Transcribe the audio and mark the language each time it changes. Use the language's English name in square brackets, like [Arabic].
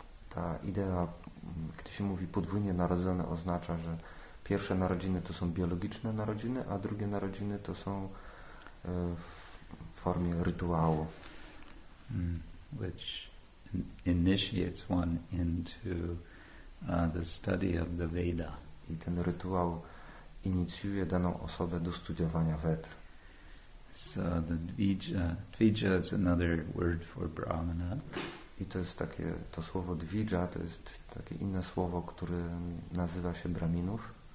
[Polish] Ta idea, gdy się mówi podwójnie narodzone, oznacza, że pierwsze narodziny to są biologiczne narodziny, a drugie narodziny to są w formie rytuału. [English] Which initiates one into the study of the Veda. [Polish] I ten rytuał inicjuje daną osobę do studiowania Ved. [English] So the dvija is another word for brahmana. [Polish] I to jest takie, to słowo dvija to jest takie inne słowo, które nazywa się brahminów.